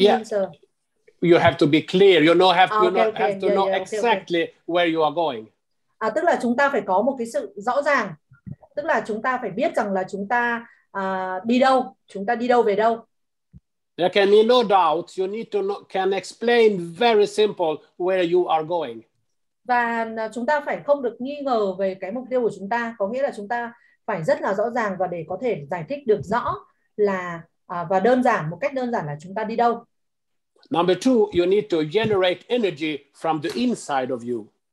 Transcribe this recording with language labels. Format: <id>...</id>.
<en>means you have to be clear, you know, have to know exactly where you are going.</en> <vi>Tức là chúng ta phải có một cái sự rõ ràng. Tức là chúng ta phải biết rằng là chúng ta đi đâu, chúng ta đi đâu về đâu.</vi> <en>There can be no doubt, you need to know, can explain very simple where you are going.</en> <vi>Và chúng ta phải không được nghi ngờ về cái mục tiêu của chúng ta, có nghĩa là chúng ta phải rất là rõ ràng và để có thể giải thích được rõ là và đơn giản, một cách đơn giản là chúng ta đi đâu.</vi> <en>Number 2, you need to generate energy from the inside of you.</en>